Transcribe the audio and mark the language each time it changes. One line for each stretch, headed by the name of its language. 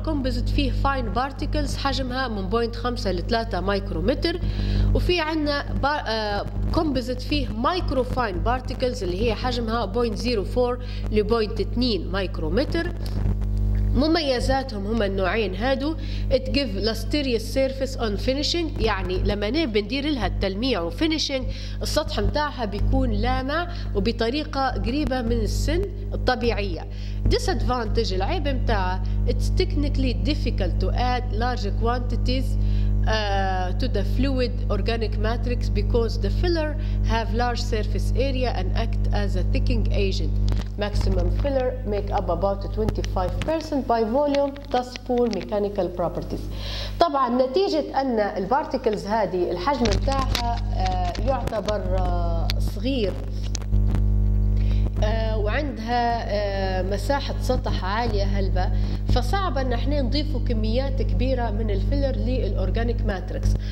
Arabic: كومبوزيت فيه فاين بارتيكلز حجمها من 0.5 ل 3 مايكرومتر، وفي عندنا كومبوزيت فيه مايكرو فاين بارتيكلز اللي هي حجمها 0.04 ل 0.2 مايكرومتر. مميزاتهم هما النوعين هادو،
English: it give lustrous surface on finishing،
Arabic: يعني لما بندير لها التلميع وفينيشنج السطح متاعها بيكون لامع وبطريقة قريبة من السن الطبيعية.
English: disadvantage،
Arabic: العيب متاعها
English: it's technically difficult to add large quantities to the fluid organic matrix because the filler have large surface area and act as a thickening agent. Maximum filler make up about 25% by volume, thus poor mechanical properties.
Arabic: طبعا نتيجة أن البارتيكلز هذه الحجم بتاعها يعتبر صغير وعندها مساحة سطح عالية هلبة، فصعب أن احنا نضيفه كميات كبيرة من الفيلر للأورجانيك ماتريكس.